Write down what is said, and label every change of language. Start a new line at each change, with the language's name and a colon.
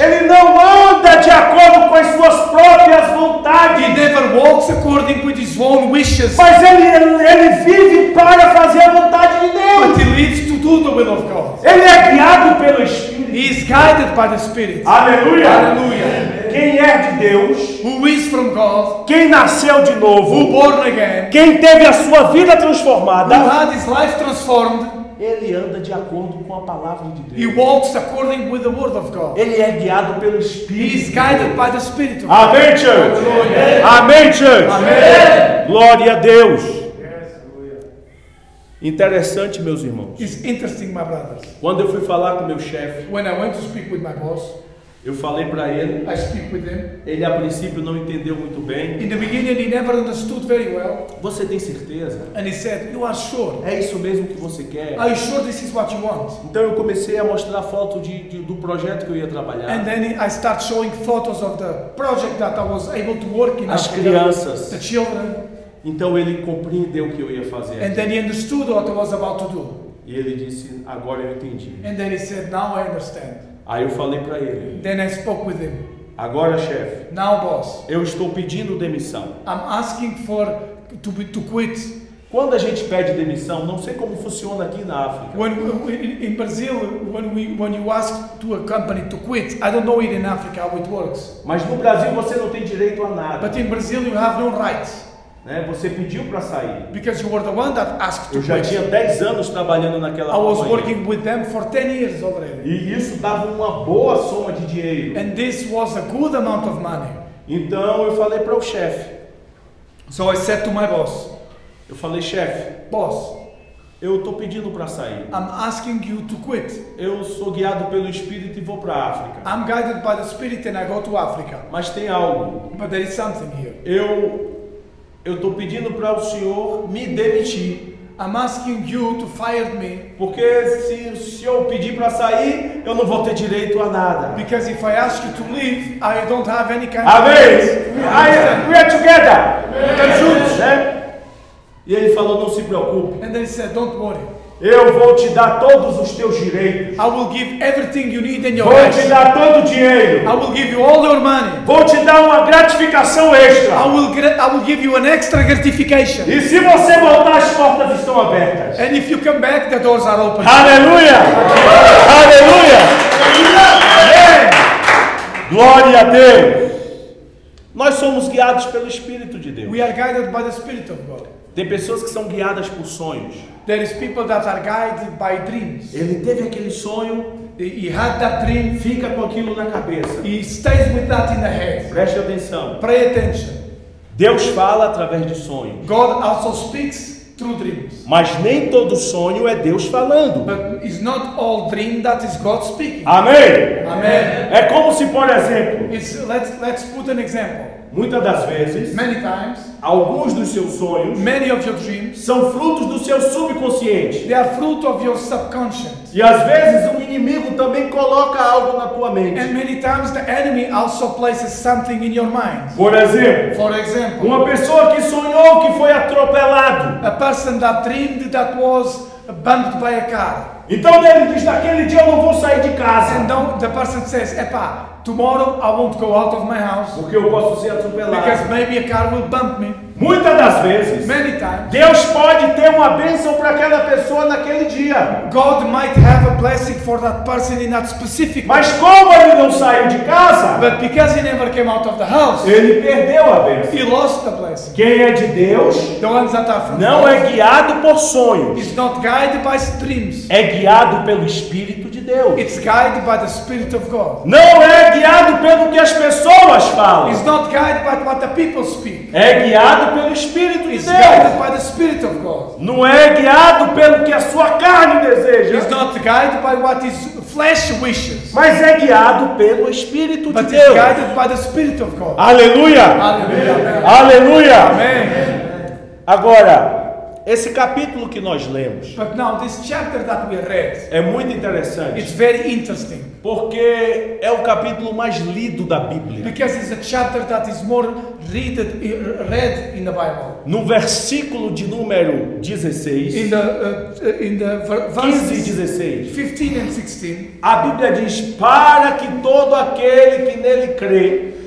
Portuguese: Ele não anda de acordo com as suas próprias vontades.
English: He never walks according with his own wishes.
Portuguese: Mas ele vive para fazer a vontade de Deus.
English: But he lives to do the will of God.
Portuguese: Ele é guiado pelo Espírito.
English: He is guided by the Spirit.
Portuguese: Aleluia. Aleluia. Quem é de Deus?
English: Who is from God?
Portuguese: Quem nasceu de novo?
English: Who born again?
Portuguese: Quem teve a sua vida transformada?
English: Who had his life transformed?
Portuguese: Ele anda de acordo com a palavra de Deus.
English: He walks according with the word of God.
Portuguese: Ele é guiado pelo Espírito.
English: He is guided by the Spirit.
Portuguese: Amém, church. Amém,
English: church.
Portuguese: Amém. Glória a Deus.
English: Yes.
Portuguese: Interessante, meus irmãos.
English: It's interesting, my brothers.
Portuguese: Quando eu fui falar com meu chefe,
English: when I went to speak with my boss,
Portuguese: eu falei para ele.
English: I speak with him.
Portuguese: Ele a princípio não entendeu muito bem.
English: In the beginning he never understood very well.
Portuguese: Você tem certeza?
English: And he said, you are sure?
Portuguese: É isso mesmo que você quer?
English: Are you sure this is what you want?
Portuguese: Então eu comecei a mostrar foto do projeto que eu ia trabalhar.
English: And then I start showing photos of the project that I was able to work in.
Portuguese: As crianças.
English: The children.
Portuguese: Então ele compreendeu o que eu ia fazer.
English: And then he understood what I was about to do.
Portuguese: E ele disse, agora eu entendi.
English: And then he said, now I understand.
Portuguese: Aí eu falei para ele.
English: Then I spoke with him.
Portuguese: Agora, chefe.
English: Now, boss.
Portuguese: Eu estou pedindo demissão.
English: I'm asking for to quit.
Portuguese: Quando a gente pede demissão, não sei como funciona aqui na África.
English: In Brazil, when you ask to a company to quit, I don't know it in Africa how it works.
Portuguese: Mas no Brasil você não tem direito a nada.
English: But in Brazil you have no rights.
Portuguese: Você pediu para sair.
English: Because you were the one that asked to
Portuguese: Eu já
English: quit.
Portuguese: Tinha 10 anos trabalhando naquela
English: companhia. I was working with them for 10 years already.
Portuguese: E isso dava uma boa soma de dinheiro.
English: And this was a good amount of money.
Portuguese: Então eu falei para o chefe.
English: So I said to my boss.
Portuguese: Eu falei, chefe.
English: Boss.
Portuguese: Eu estou pedindo para sair.
English: I'm asking you to quit.
Portuguese: Eu sou guiado pelo Espírito e vou para a África.
English: I'm guided by the Spirit and I go to Africa.
Portuguese: Mas tem algo.
English: But there is something here.
Portuguese: Eu estou pedindo para o senhor me demitir.
English: I'm asking you to fire me.
Portuguese: Porque se o senhor pedir para sair, eu não vou ter direito a nada.
English: Because if I ask you to leave, I don't have any kind
Portuguese: Amém.
English: Of
Portuguese: Amém.
English: We are together.
Portuguese: Estamos juntos. Né? E ele falou, não se preocupe.
English: And then he said, don't worry.
Portuguese: Eu vou te dar todos os teus direitos.
English: I will give everything you need in your life.
Portuguese: Vou te dar todo o dinheiro.
English: I will give you all your money.
Portuguese: Vou te dar uma gratificação extra.
English: I will give you an extra gratification.
Portuguese: E se você voltar, as portas estão abertas.
English: And if you come back, the doors are open.
Portuguese: Aleluia! Aleluia! Glória a Deus! Nós somos guiados pelo Espírito de Deus.
English: We are guided by the Spirit of God.
Portuguese: Tem pessoas que são guiadas por sonhos.
English: There is people that are guided by dreams.
Portuguese: Ele teve aquele sonho.
English: He had that dream.
Portuguese: Fica com aquilo na cabeça.
English: He stays with that in the head.
Portuguese: Preste atenção.
English: Pay attention.
Portuguese: Deus fala através de sonhos.
English: God also speaks through dreams.
Portuguese: Mas nem todo sonho é Deus falando.
English: But it's not all dream that is God speaking.
Portuguese: Amém. Amém. É como se, por exemplo.
English: Let's put an example.
Portuguese: Muitas das vezes,
English: many times,
Portuguese: alguns dos seus sonhos,
English: many of your dreams,
Portuguese: são frutos do seu subconsciente.
English: They are fruit of your subconscious.
Portuguese: E às vezes o inimigo também coloca algo na tua mente.
English: And many times the enemy also places something in your mind.
Portuguese: Por exemplo,
English: for example,
Portuguese: uma pessoa que sonhou que foi atropelado.
English: A person that dreamed that was bumped by a car.
Portuguese: Então ele diz, naquele dia eu não vou sair de casa.
English: Então the person says, epa, tomorrow I won't go out of my house.
Portuguese: Porque eu posso ser atropelado.
English: Because maybe a car will bump me.
Portuguese: Muitas das vezes,
English: many times,
Portuguese: Deus pode ter uma bênção para aquela pessoa naquele dia.
English: God might have a blessing for that person in that specific.
Portuguese: Mas como ele não saiu de casa?
English: But because he never came out of the house.
Portuguese: Ele perdeu a bênção.
English: He lost the blessing.
Portuguese: Quem é de Deus?
English: The ones that are from God.
Portuguese: Não é guiado por sonhos.
English: He's not guided by dreams.
Portuguese: É guiado pelo Espírito de Deus.
English: It's guided by the Spirit of God.
Portuguese: Não é guiado pelo que as pessoas falam.
English: It's not guided by what the people speak.
Portuguese: É guiado pelo Espírito de Deus.
English: Guided by the Spirit of God.
Portuguese: Não é guiado pelo que a sua carne deseja.
English: It's not guided by what his flesh wishes.
Portuguese: Mas é guiado pelo Espírito
English: But
Portuguese: de Deus.
English: Guided by the Spirit of God.
Portuguese: Aleluia. Aleluia. Aleluia. Amém. Agora, esse capítulo que nós lemos.
English: But now, this chapter that we read,
Portuguese: é muito interessante.
English: It's very interesting.
Portuguese: Porque é o capítulo mais lido da Bíblia.
English: Because it's a chapter that is more read in the Bible.
Portuguese: No versículo de número 16.
English: In the verses 15 and 16.
Portuguese: A Bíblia diz: para que todo aquele que nele crê.